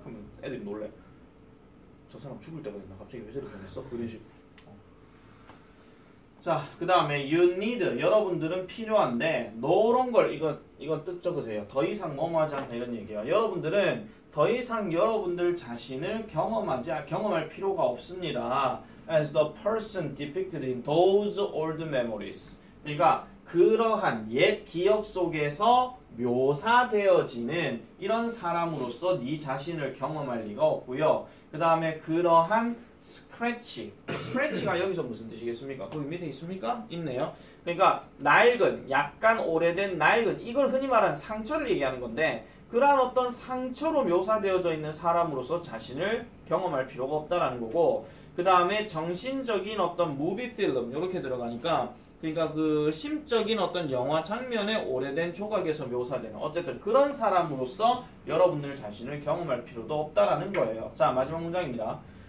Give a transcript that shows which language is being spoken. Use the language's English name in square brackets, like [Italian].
[Korean] 하면 애들이 놀래. 저 사람 죽을 때가 됐나? 갑자기 왜 저렇게 됐어? 그런 식으로. 자, 그 다음에 you need, 여러분들은 필요한데 노런 걸 이거 뜻 적으세요. 더 이상 뭐하지 않다 이런 얘기야. 여러분들은 더 이상 여러분들 자신을 경험할 필요가 없습니다. [English] As the person depicted in those old memories. [Korean] 그러니까 그러한 옛 기억 속에서 묘사되어지는 이런 사람으로서 네 자신을 경험할 리가 없고요. 그 다음에 그러한 스크래치. 스크래치가 여기서 무슨 뜻이겠습니까? 거기 밑에 있습니까? 있네요. 그러니까 낡은, 약간 오래된 낡은, 이걸 흔히 말하는 상처를 얘기하는 건데 그러한 어떤 상처로 묘사되어져 있는 사람으로서 자신을 경험할 필요가 없다라는 거고, 그 다음에 정신적인 어떤 무비 필름 이렇게 들어가니까, 그러니까 그 심적인 어떤 영화 장면의 오래된 조각에서 묘사되는 어쨌든 그런 사람으로서 여러분들 자신을 경험할 필요도 없다라는 거예요. 자, 마지막 문장입니다.